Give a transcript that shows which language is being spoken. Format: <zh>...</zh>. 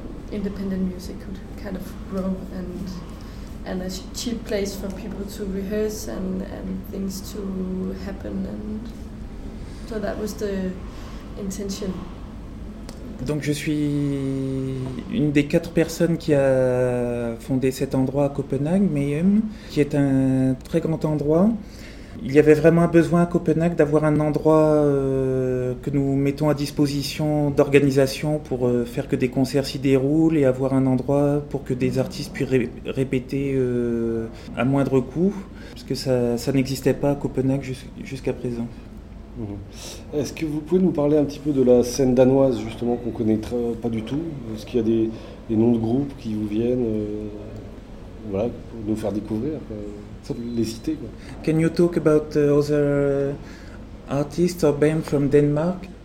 <en>independent music could kind of grow, and a cheap place for people to rehearse and things to happen, and so that was the intention.</en> <fr>Donc je suis une des quatre personnes qui a fondé cet endroit à Copenhague, Mayhem, qui est un très grand endroit. Il y avait vraiment un besoin à Copenhague d'avoir un endroit que nous mettons à disposition d'organisation pour faire que des concerts s'y déroulent et avoir un endroit pour que des artistes puissent répéter à moindre coût, parce que ça n'existait pas à Copenhague jusqu'à présent. Est-ce que vous pouvez nous parler un petit peu de la scène danoise, justement, qu'on ne connaît pas du tout? Est-ce qu'il y a des noms de groupes qui vous viennent voilà, pour nous faire découvrir, les citer, quoi.</fr> <en>Can you talk about other artists or bands from Denmark?</en>